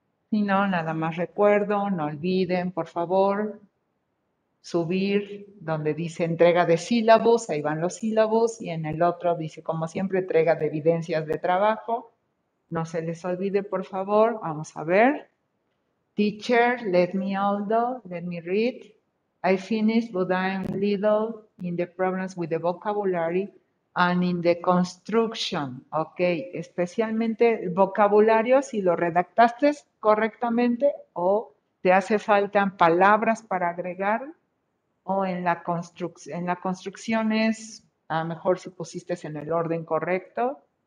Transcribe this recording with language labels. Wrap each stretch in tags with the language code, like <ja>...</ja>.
<es>Si no, nada más recuerdo, no olviden, por favor, subir donde dice entrega de sílabos, ahí van los sílabos, y en el otro dice, como siempre, entrega de evidencias de trabajo. No se les olvide, por favor, vamos a ver.</es> <en>Teacher, let me although, let me read. I finished, but I'm little in the problems with the vocabulary and in the construction.</en> <es>Ok, especialmente el vocabulario, si lo redactaste correctamente o te hace falta palabras para agregar o en la construcción es, a lo mejor si pusiste en el orden correcto.</es>